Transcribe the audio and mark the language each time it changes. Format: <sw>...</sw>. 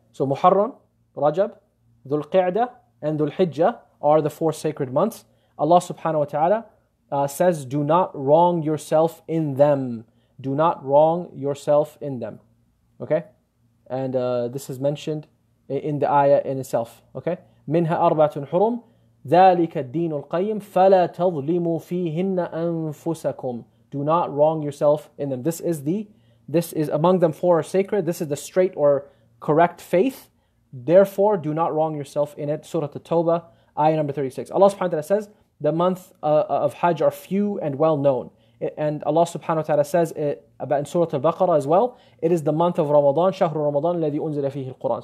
<en>So Muharram, Rajab, Dhul Qi'dah, and Dhul Hijjah are the four sacred months. Allah subhanahu wa ta'ala says, do not wrong yourself in them. Do not wrong yourself in them. Okay? And this is mentioned in the ayah in itself. Okay?</en> <ar>Minha arba'atun hurum, ذَلِكَ الدِّينُ الْقَيِّمُ فَلَا تَظْلِمُوا فِيهِنَّ أَنفُسَكُمْ.</ar> <en>Do not wrong yourself in them. This is among them four are sacred. This is the straight or correct faith. Therefore, do not wrong yourself in it. Surah At-Tawbah, ayah number 36. Allah subhanahu wa ta'ala says, the month of Hajj are few and well known. And Allah subhanahu wa ta'ala says it about in Surah Al-Baqarah as well, it is the month of Ramadan,</en> <ar>Shahru Ramadan, الذي أنزل فيه القرآن.</ar>